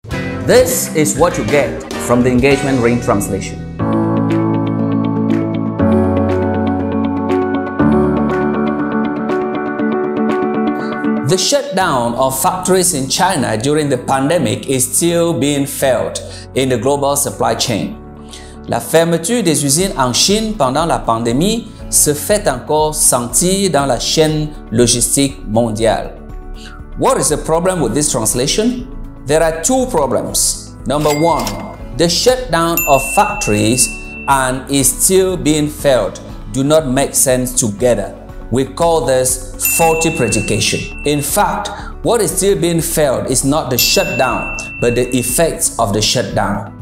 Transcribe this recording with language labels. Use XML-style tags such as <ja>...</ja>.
<en>This is what you get from the Engagement Ring Translation. The shutdown of factories in China during the pandemic is still being felt in the global supply chain.</en> <fr>La fermeture des usines en Chine pendant la pandémie se fait encore sentir dans la chaîne logistique mondiale.</fr> <en>What is the problem with this translation? There are two problems. Number one, the shutdown of factories and is still being felt do not make sense together. We call this faulty predication. In fact, what is still being felt is not the shutdown, but the effects of the shutdown.</en>